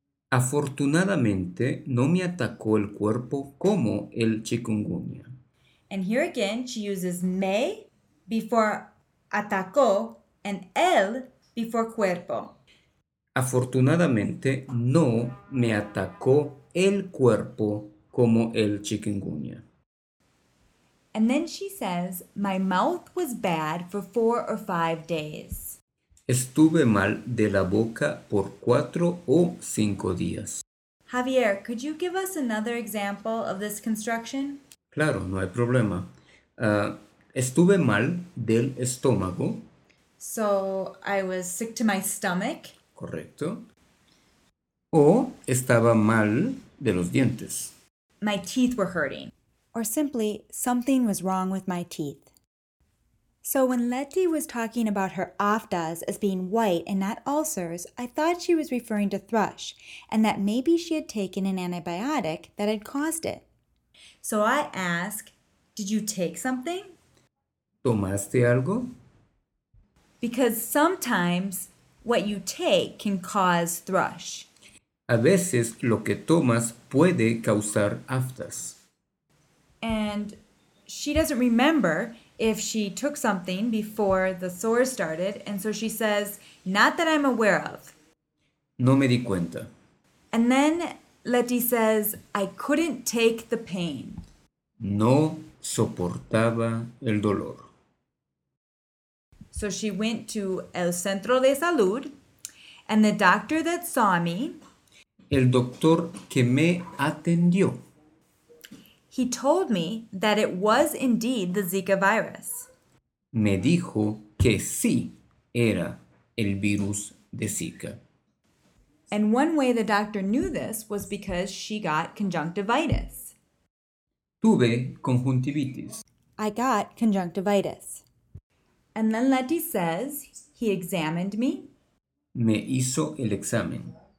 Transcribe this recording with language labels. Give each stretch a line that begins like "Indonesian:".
Spanish: Afortunadamente, no me atacó el cuerpo como el chikungunya.
English: And here again, she uses me before atacó and él before cuerpo.
Spanish: Afortunadamente, no me atacó el cuerpo como el chikungunya.
English: And then she says, my mouth was bad for 4 or 5 days.
Spanish: Estuve mal de la boca por 4 o 5 días.
English: Javier, could you give us another example of this construction?
Spanish: Claro, no hay problema. Estuve mal del estómago.
English: So, I was sick to my stomach.
Spanish: Correcto. O estaba mal de los dientes.
English: My teeth were hurting. Or simply, something was wrong with my teeth. So when Letty was talking about her aftas as being white and not ulcers, I thought she was referring to thrush and that maybe she had taken an antibiotic that had caused it. So I ask, did you take something?
Spanish: ¿Tomaste algo?
English: Because sometimes what you take can cause thrush.
Spanish: A veces lo que tomas puede causar aftas.
English: And she doesn't remember if she took something before the sore started, and so she says, not that I'm aware of.
Spanish: No me di cuenta.
English: And then Letty says, I couldn't take the pain.
Spanish: No soportaba el dolor.
English: So she went to
Spanish: el centro de salud,
English: and the doctor that saw me.
Spanish: El doctor que me atendió.
English: He told me that it was indeed the Zika virus.
Spanish: Me dijo que sí era el virus de Zika.
English: And one way the doctor knew this was because she got conjunctivitis.
Spanish: Tuve conjuntivitis.
English: I got conjunctivitis. And then Letty says he examined me.
Spanish: Me hizo el examen.